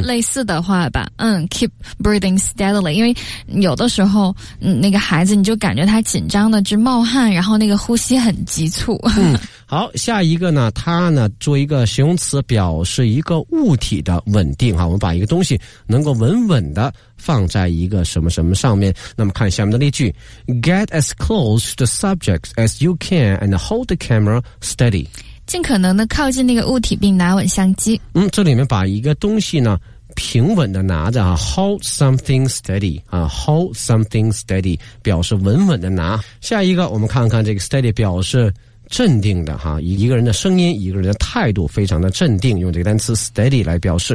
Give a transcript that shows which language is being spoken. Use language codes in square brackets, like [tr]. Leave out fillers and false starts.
[zh] 类似的话吧， [en] keep breathing steadily, [zh] 因为有的时候那个孩子你就感觉他紧张的直冒汗，然后那个呼吸很急促。好，下一个呢，它呢做一个形容词表示一个物体的稳定哈，我们把一个东西能够稳稳的放在一个什么什么上面。那么看下面的例句 [en] ,get as close to the subject as you can and hold the camera steady. [zh] 尽可能的靠近那个物体并拿稳相机。嗯，这里面把一个东西呢平稳的拿着啊 , [en] hold something steady, [zh] 啊 ,hold something steady, 表示稳稳的拿。下一个我们看看这个 steady 表示镇定的哈，一个人的声音，一个人的态度非常的镇定，用这个单词 steady 来表示。